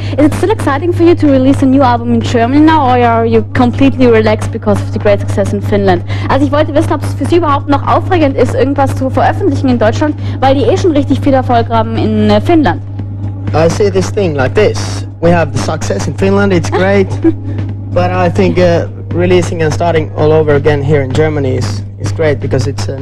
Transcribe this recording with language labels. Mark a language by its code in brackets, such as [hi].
[en] Is it still exciting for you to release a new album in Germany now, or are you completely relaxed because of the great success in Finland? [de] Also ich wollte wissen, ob es für Sie überhaupt noch aufregend ist, irgendwas zu veröffentlichen in Deutschland, weil die eh schon richtig viel Erfolg haben in Finnland. [en] I see this thing like this. We have the success in Finland, it's great. But I think releasing and starting all over again here in Germany is great because it's a new